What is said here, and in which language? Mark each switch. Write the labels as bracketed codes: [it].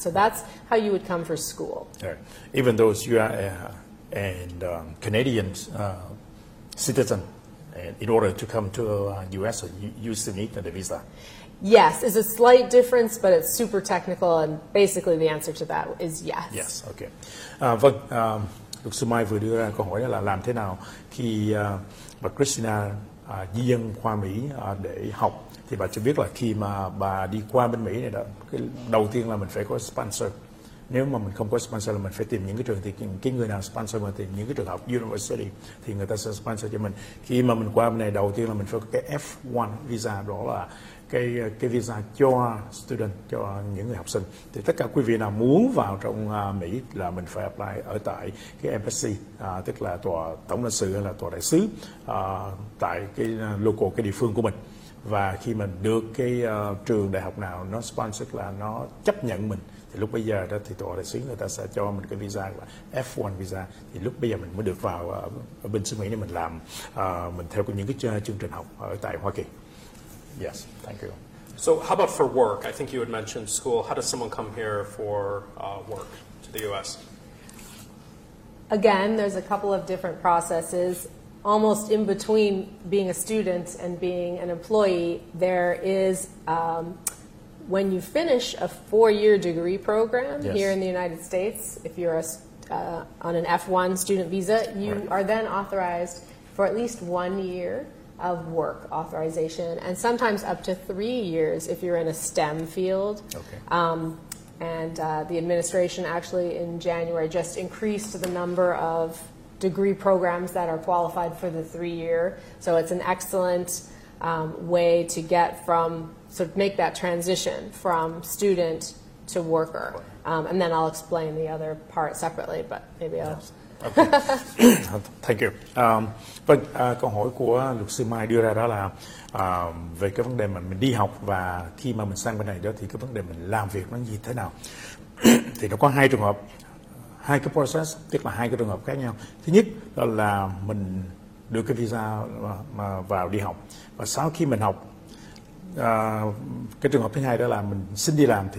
[en] So that's how you would come for school. Right. Even though you are and Canadian citizen, in order to come to U.S., you still need the visa. Yes, it's a slight difference, but it's super technical, and basically the answer to that is yes. Yes, okay. [vi] Vâng, luật sư Mai vừa đưa ra câu hỏi là làm thế nào khi bà Christina di dân qua Mỹ để học. Thì bà cho biết là khi mà bà đi qua bên Mỹ này, đầu tiên là mình phải có sponsor. Nếu mà mình không có sponsor là mình phải tìm những cái trường, thì cái người nào sponsor mình thì những cái trường học university thì người ta sẽ sponsor cho mình. Khi mà mình qua bên này, đầu tiên là mình phải có cái F1 visa, đó là cái visa cho student, cho những người học sinh. Thì tất cả quý vị nào muốn vào trong Mỹ là mình phải apply ở tại cái embassy, tức là tòa tổng lãnh sự hay là tòa đại sứ tại cái local, cái địa phương của mình. Và khi mình được cái trường đại học nào nó sponsor, là nó chấp nhận mình, thì lúc bây giờ đó thì tòa đại sứ người ta sẽ cho mình cái visa là F1 visa. Thì lúc bây giờ mình mới được vào ở bên xứ Mỹ để mình làm, mình theo những cái chương trình học ở tại Hoa Kỳ. [en] Yes, thank you. So how about for work? I think you had mentioned school. How does someone come here for work to the U.S.? Again, there's a couple of different processes. Almost in between being a student and being an employee, there is when you finish a four-year degree program, yes, here in the United States, if you're on an F1 student visa, you right, are then authorized for at least 1 year of work authorization, and sometimes up to 3 years if you're in a STEM field. Okay. The administration actually in January just increased the number of degree programs that are qualified for the 3 year. So it's an excellent way to get from, sort of make that transition from student to worker. And then I'll explain the other part separately, but maybe I'll... Yes. Okay. Thank you. [vi] Vâng, câu hỏi của luật sư Mai đưa ra đó là về cái vấn đề mà mình đi học và khi mà mình sang bên này đó thì cái vấn đề mình làm việc nó như thế nào. Thì nó có hai trường hợp, hai cái process, tức là hai cái trường hợp khác nhau. Thứ nhất đó là mình đưa cái visa mà vào đi học, và sau khi mình học, cái trường hợp thứ hai đó là mình xin đi làm.